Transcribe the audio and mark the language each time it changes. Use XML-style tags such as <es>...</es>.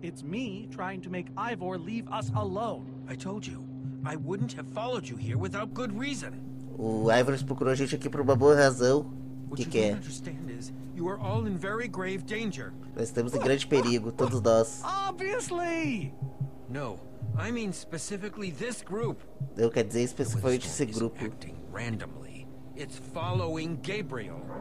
<en>It's me trying to make Ivor leave us alone. I told you, I wouldn't have followed you here without good reason.</en> <pt>O Ivor procurou a gente aqui por uma boa razão.</pt> <en>What you don't understand is, you are all in very grave danger.</en> <pt>Nós estamos em grande perigo, todos nós.</pt> <en>Obviously! No, I mean specifically this group.</en> <pt>Eu quero dizer especificamente esse grupo.</pt> <en>It's acting randomly. It's following Gabriel.</en>